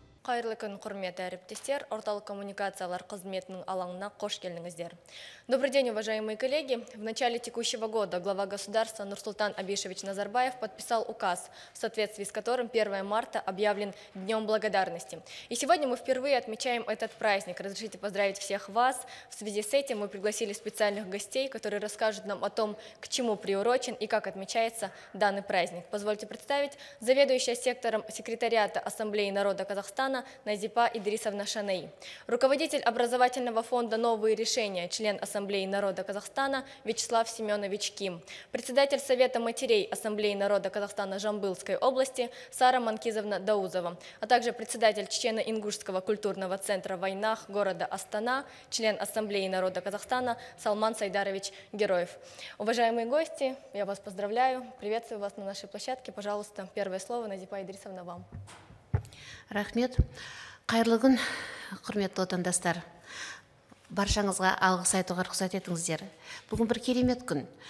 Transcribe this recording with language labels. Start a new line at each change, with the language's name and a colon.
Kazakh: Қайырлы күн, құрметті әріптестер, орталық коммуникациялар қызметінің алаңына қош келдіңіздер.
Russian: Добрый день, уважаемые коллеги. В начале текущего года глава государства Нурсултан Абишевич Назарбаев подписал указ, в соответствии с которым 1 марта объявлен Днем Благодарности. И сегодня мы впервые отмечаем этот праздник. Разрешите поздравить всех вас. В связи с этим мы пригласили специальных гостей, которые расскажут нам о том, к чему приурочен и как отмечается данный праздник. Позвольте представить заведующая сектором секретариата Ассамблеи народа Казахстана Назипа Идрисовна Шанаи, руководитель образовательного фонда «Новые решения», член Ассамблеи народа Казахстана Вячеслав Семенович Ким, председатель Совета матерей Ассамблеи народа Казахстана Жамбылской области Сара Манкизовна Даузова, а также председатель члена Ингушского культурного центра «Войнах» города Астана, член Ассамблеи народа Казахстана Салман Сайдарович Героев. Уважаемые гости, я вас поздравляю, приветствую вас на нашей площадке. Пожалуйста, первое слово, Назипа Идрисовна, вам.
Kazakh: Рахмет. Қайырлы күн, құрметті отандастар. Баршаңызға алғыс айтуға рұқсат етіңіздер. Бүгін бір керемет күн.